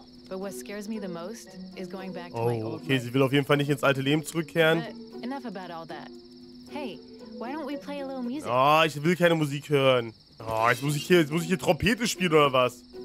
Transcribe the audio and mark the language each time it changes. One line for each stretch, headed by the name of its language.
English: But what scares me the most is going back to my old life.
German: Okay, sie will auf jeden Fall nicht ins alte Leben zurückkehren.
English: But enough about all that. Hey, why don't we play a little music?
German: Oh, ich will keine Musik hören. Oh, jetzt muss ich hier Trompete spielen oder was?